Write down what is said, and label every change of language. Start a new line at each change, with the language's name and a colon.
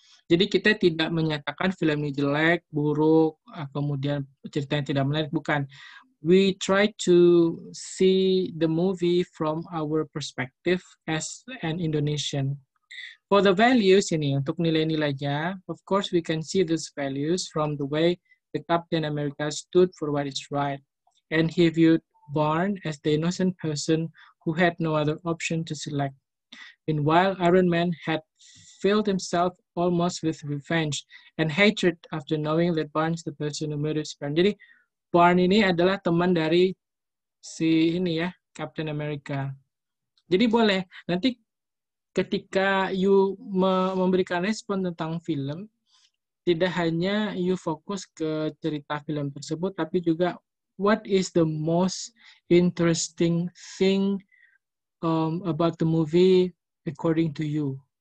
Indonesian: Jadi, kita tidak menyatakan film ini jelek, buruk, kemudian cerita yang tidak menarik. Bukan.
English: We try to see the movie from our perspective as an Indonesian. For the values
Indonesian: ini, untuk nilai-nilainya,
English: of course we can see those values from the way the Captain America stood for what is right. And he viewed Barn as the innocent person who had no other option to select. Meanwhile, Iron Man had filled himself almost with revenge and hatred after knowing that Barn is the person who murdered his friend.
Indonesian: Jadi, Barn ini adalah teman dari si ini ya, Captain America. Jadi boleh, nanti ketika you memberikan respon tentang film, tidak hanya you fokus ke cerita film tersebut, tapi juga
English: what is the most interesting thing about the movie according to you.